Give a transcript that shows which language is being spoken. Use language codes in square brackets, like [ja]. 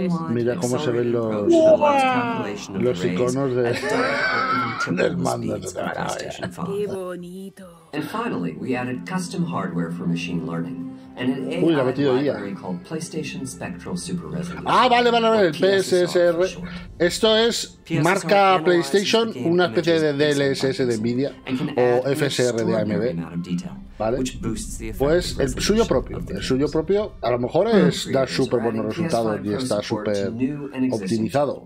[es] Mira cómo se ven los iconos del mando. Qué bonito. [en] And finally, we added custom hardware for machine learning and an AI library called PlayStation Spectral Super Resolution. [es] Ah, vale, PSSR. Esto es marca PlayStation, una especie de DLSS de Nvidia o FSR de AMD. ¿Vale? Pues el suyo propio. El suyo propio a lo mejor es da súper buenos resultados y está súper optimizado.